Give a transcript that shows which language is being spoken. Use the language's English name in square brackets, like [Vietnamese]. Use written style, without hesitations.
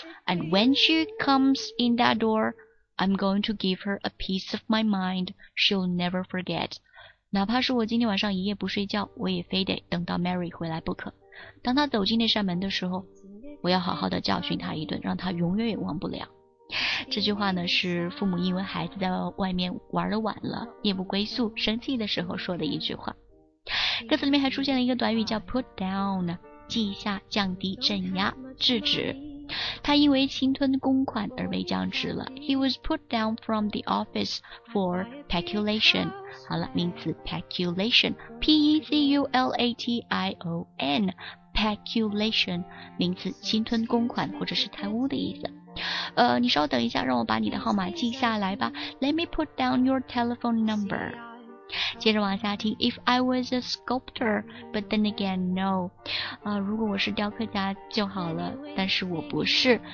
[English] And when she comes in that door, I'm going to give her a piece of my mind she'll never forget. [Chinese] 哪怕是我今天晚上一夜不睡觉，我也非得等到 Mary 回来不可。当她走进那扇门的时候，我要好好的教训他一顿，让他永远也忘不了。这句话呢，是父母因为孩子在外面玩的晚了，夜不归宿，生气的时候说的一句话。歌词里面还出现了一个短语叫 put down， 记下、降低、镇压、制止。他因为侵吞公款而被降职了。 [English] He was put down from the office for peculation. [Chinese] 好了，名词 peculation， P-E-C-U-L-A-T-I-O-N。 Peculation 名词，侵吞公款或者是贪污的意思。你稍等一下，让我把你的号码记下来吧。 [English] Let me put down your telephone number. [Chinese] 接着往下听。 [English] If I was a sculptor, but then again, no. [Chinese] 如果我是雕刻家就好了，但是我不是。